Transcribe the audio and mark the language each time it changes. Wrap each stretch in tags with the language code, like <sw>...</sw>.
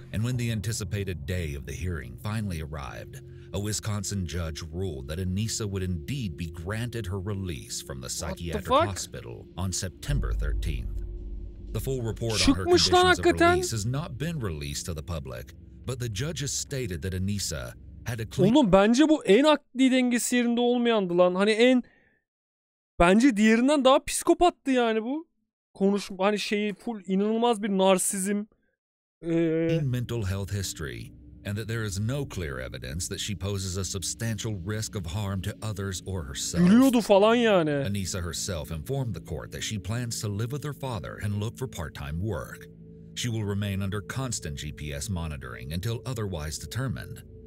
<en>And when the anticipated day of the hearing finally arrived, a Wisconsin judge ruled that Anissa would indeed be granted her release from the psychiatric hospital on September 13th. The full report on her conditions of release has not been released to the public, but the judge has stated that Anissa had a clean...</en> <tr>Oğlum bence bu en akli dengesi yerinde olmayandı lan. Hani en... Bence diğerinden daha psikopattı yani bu. Konuşma hani şeyi full inanılmaz bir narsizm.</tr> <en>In mental health history, and that there is no clear evidence that she poses a substantial risk of harm to others or herself.</en> <tr>Yürüyordu falan yani.</tr> <en>Anissa herself informed the court that she plans to live with her father and look for part-time work. She will remain under constant GPS monitoring until otherwise determined.</en>